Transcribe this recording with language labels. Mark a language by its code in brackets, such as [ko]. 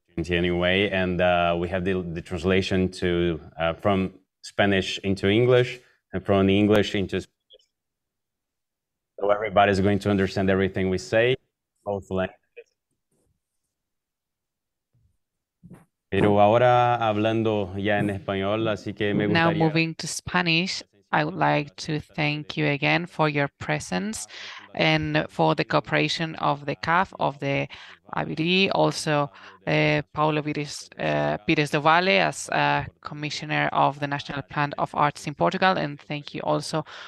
[en] Anyway, and we have the translation to from Spanish into English and from English into Spanish. So everybody's going to understand everything we say, both languages. [es] Pero ahora hablando ya en español, así que me gustaría... [en] Now moving to Spanish, I would like to thank you again for your presence and for the cooperation of the CAF, of the ABIRI, also Paulo Pires do Valle as Commissioner of the National Plan of Arts in Portugal. And thank you also